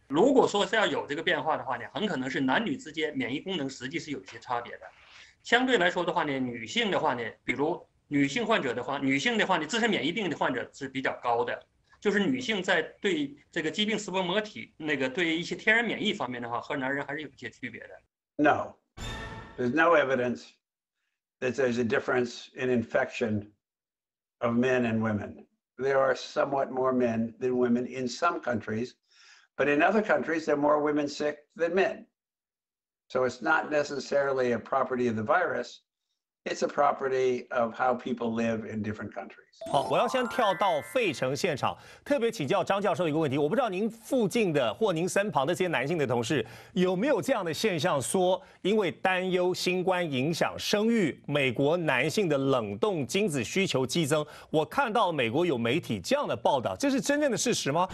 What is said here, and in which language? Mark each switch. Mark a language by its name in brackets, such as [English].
[Chinese] 如果说是要有这个变化的话呢，很可能是男女之间免疫功能实际是有一些差别的。相对来说的话呢，女性的话呢，比如女性患者的话，女性的话呢，自身免疫病的患者是比较高的。就是女性在对这个疾病细胞膜体那个对一些天然免疫方面的话，和男人还是有些区别的。 [English] No, there's no evidence that there's a difference in infection of men and women. There are somewhat more men than women in some countries, but in other countries there are more women sick than men. So it's not necessarily a property of the virus. It's a property of how people live in different countries. [Chinese] 好，我要先跳到费城现场，特别请教张教授一个问题。我不知道您附近的或您身旁的这些男性的同事有没有这样的现象，说因为担忧新冠影响生育，美国男性的冷冻精子需求激增。我看到美国有媒体这样的报道，这是真正的事实吗？